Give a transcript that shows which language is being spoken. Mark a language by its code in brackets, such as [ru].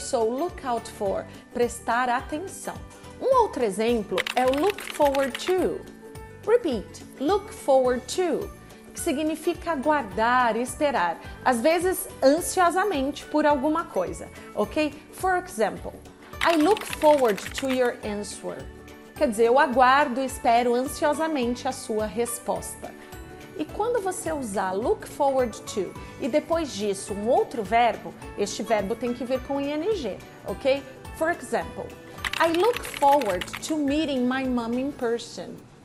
[pt] So, look out for, prestar atenção. Um outro exemplo é o look forward to. Repeat, look forward to, que significa aguardar, esperar, às vezes ansiosamente por alguma coisa, ok? [en] For example, I look forward to your answer. [pt] Quer dizer, eu aguardo e espero ansiosamente a sua resposta. E quando você usar look forward to e depois disso um outro verbo, este verbo tem que vir com ing, ok? [en] For example, I look forward to meeting my mom in person.